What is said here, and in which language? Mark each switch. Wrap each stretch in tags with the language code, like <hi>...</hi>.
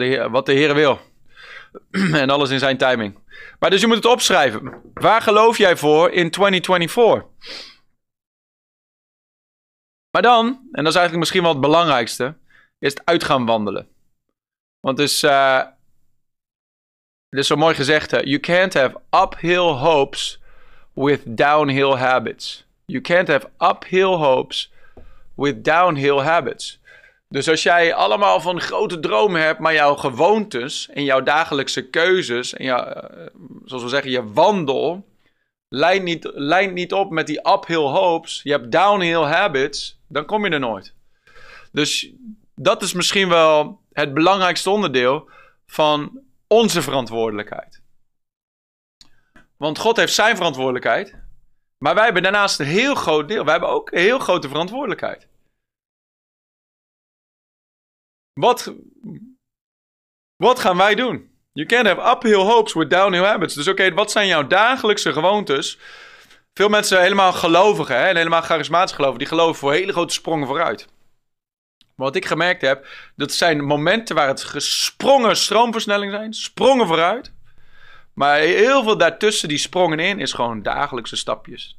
<nl>Wat de Heer wil. En alles in zijn timing. Maar dus je moet het opschrijven. Waar geloof jij voor in 2024? Maar dan, en dat is eigenlijk misschien wel het belangrijkste, is het uit gaan wandelen. Want het is zo mooi gezegd, hè?</nl> <en>You can't have uphill hopes with downhill habits. You can't have uphill hopes with downhill habits.</en> <nl>Dus als jij allemaal van grote dromen hebt, maar jouw gewoontes en jouw dagelijkse keuzes en jouw, zoals we zeggen, je wandel, lijnt niet op met die</nl> <en>uphill hopes.</en> <nl>Je hebt</nl> <en>downhill habits,</en> <nl>dan kom je er nooit. Dus dat is misschien wel het belangrijkste onderdeel van onze verantwoordelijkheid. Want God heeft zijn verantwoordelijkheid. Maar wij hebben daarnaast een heel groot deel. Wij hebben ook een heel grote verantwoordelijkheid. Wat gaan wij doen?</nl> <en>You can't have uphill hopes with downhill habits.</en> <nl>Dus wat zijn jouw dagelijkse gewoontes? Veel mensen helemaal gelovigen. Hè, en helemaal charismatisch geloven. Die geloven voor hele grote sprongen vooruit. Maar wat ik gemerkt heb, dat zijn momenten waar het gesprongen stroomversnelling zijn. Sprongen vooruit. Maar heel veel daartussen die sprongen in is gewoon dagelijkse stapjes.</nl>